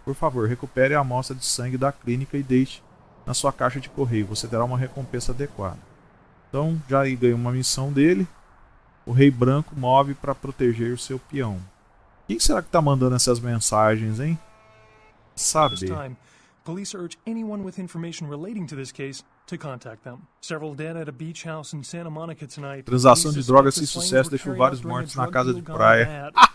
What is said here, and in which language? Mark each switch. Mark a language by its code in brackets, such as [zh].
[pt] Por favor, recupere a amostra de sangue da clínica e deixe na sua caixa de correio. Você terá uma recompensa adequada. Então, já ganhou uma missão dele. O Rei Branco move para proteger o seu peão. Quem será que está mandando essas mensagens, hein? Sabe. [en] Polícia urge anyone with information relating to this case to contact them. Several dead at a beach house in Santa Monica tonight. [pt] Transação de drogas sem sucesso deixou vários mortos na casa de praia.